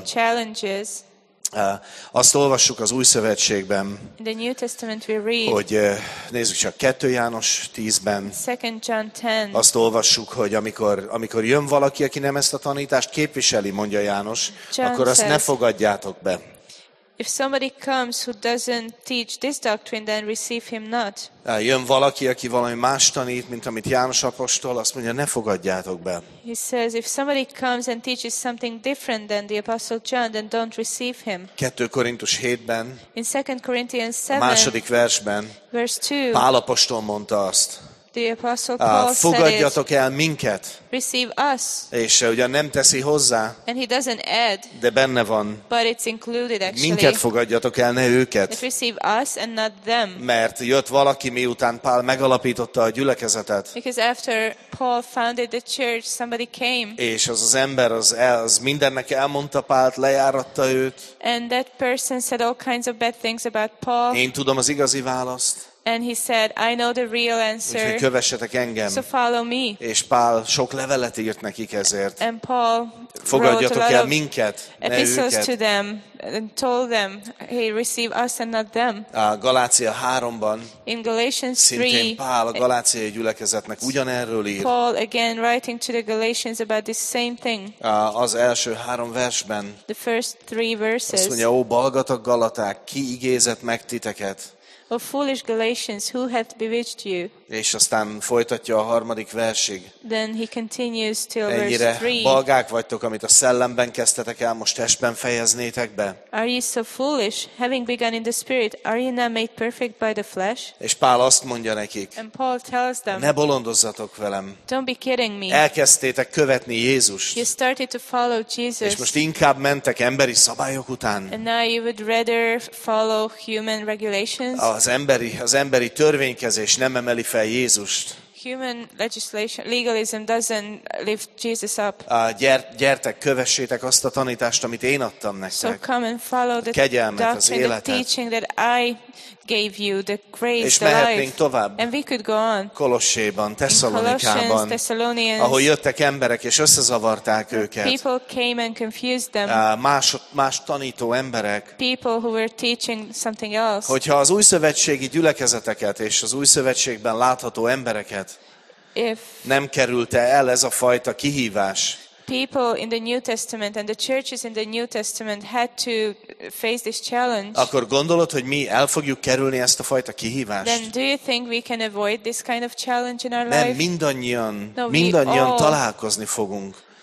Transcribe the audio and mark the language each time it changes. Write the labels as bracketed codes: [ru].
[en] Face challenges. [hu] Azt olvassuk az Új Szövetségben, [en] in the New Testament we read, [hu] hogy nézzük csak 2 János 10-ben. [en] 2 John 10. [hu] Azt olvassuk, hogy amikor jön valaki, aki nem ezt a tanítást képviseli, mondja János, [en] John [hu] akkor [en] says, [hu] azt ne fogadjátok be. [en] If somebody comes who doesn't teach this doctrine, then receive him not. [hu] Jön valaki, aki valami más tanít, mint amit János apostol, azt mondja, ne fogadjátok be. [en] He says, if somebody comes and teaches something different than the apostle John, then don't receive him. [hu] 2 Korintus 7-ben. [en] In 2 Corinthians 7. [hu] A második versben. [en] Verse 2. [hu] Pál apostol mondta azt. [en] The apostle Paul said it. [hu] Fogadjatok el minket. [en] Receive us. [hu] És ugyan nem teszi hozzá. [en] And he doesn't add. [hu] De benne van. [en] But it's included actually. [hu] Minket fogadjatok el, ne őket. [en] That receive us and not them. [hu] Mert jött valaki, miután Pál megalapította a gyülekezetet. [en] Because after Paul founded the church, somebody came. [hu] És az ember az mindennek elmondta Pált, lejáratta őt. [en] And that person said all kinds of bad things about Paul. [hu] Én tudom az igazi választ. [en] And he said, I know the real answer. [hu] Úgyhogy kövessetek engem. [en] So follow me. [hu] És Pál sok levelet írt nekik ezért. [en] And Paul [hu] fogadjatok [en] wrote [hu] el minket, ne őket. [en] To them and told them, hey, receive us and not them. [hu] A Galácia 3-ban. [en] In Galatians 3. [hu] Szintén Pál a galáciai gyülekezetnek ugyanerről ír. [en] Paul again writing to the Galatians about this same thing. [hu] Az első 3 versben. [en] The first 3 verses. [hu] Azt mondja, ó balgatag galaták, ki igézett meg titeket? [en] O foolish Galatians, who hath bewitched you? [hu] És aztán folytatja a harmadik versig. [en] Then he continues till verse 3. [hu] Ennyire balgák vagytok, amit a szellemben kezdtetek el, most testben fejeznétek be. [en] Are you so foolish, having begun in the spirit, are you now made perfect by the flesh? [hu] És Pál azt mondja nekik. [en] And Paul tells them. [hu] Ne bolondozzatok velem. [en] Don't be kidding me. [hu] Elkezdtétek követni Jézust. [en] You started to follow Jesus. [hu] És most inkább mentek emberi szabályok után. [en] And now you would rather follow human regulations. [hu] Az emberi törvénykezés nem emeli fel Jézust. [en] Human legislation, legalism doesn't lift Jesus up. [hu] Gyertek, kövessétek azt a tanítást, amit én adtam nektek. [en] So come and follow the [hu] kegyelmet, az életet. [en] The teaching that I gave you, the grace, [hu] és mehetnénk tovább. [en] And we could go on. [hu] Kolossében, Tesszalonikában, ahol jöttek emberek és összezavarták őket. [en] People came and confused them. [hu] Más tanító emberek. [en] People who were teaching something else. [hu] Hogyha az új szövetségi gyülekezeteket és az új szövetségben látható embereket nem kerülte el ez a fajta kihívás. [en] people in the New Testament and the churches in the New Testament had to face this challenge. [hu] Akkor gondolod, hogy mi el fogjuk kerülni ezt a fajta kihívást? [en] Then do you think we can avoid this kind of challenge in our life? [hu] Nem, mindannyian találkozni fogunk.